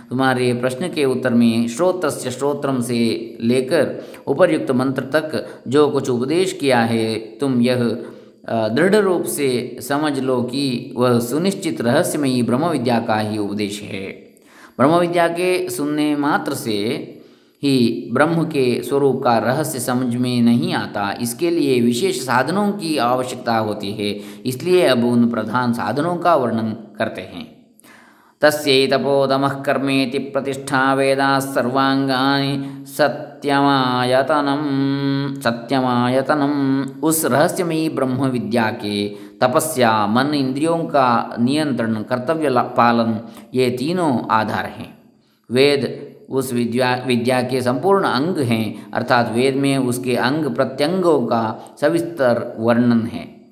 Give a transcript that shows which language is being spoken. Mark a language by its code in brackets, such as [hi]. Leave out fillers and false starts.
[hi] तुम्हारे प्रश्न के उत्तर में श्रोत्रस्य श्रोत्रम से लेकर उपर्युक्त मंत्र तक जो कुछ उपदेश किया है तुम यह दृढ़ रूप से समझ लो कि वह सुनिश्चित रहस्यमयी ब्रह्म विद्या का ही उपदेश है। ब्रह्म विद्या के सुनने मात्र से ही ब्रह्म के स्वरूप का रहस्य समझ में नहीं आता, इसके लिए विशेष साधनों की आवश्यकता होती है, इसलिए अब उन प्रधान साधनों का वर्णन करते हैं। [sa] तस्यै तपोदमः कर्मेति प्रतिष्ठा वेदाः सर्वांगानि सत्यमायतनम् सत्यमायतनम्। [hi] उस रहस्यमयी ब्रह्म विद्या के तपस्या, मन, इंद्रियों का नियंत्रण, कर्तव्य पालन, ये तीनों आधार हैं। वेद उस विद्या के संपूर्ण अंग हैं, अर्थात वेद में उसके अंग प्रत्यंगों का सविस्तर वर्णन है।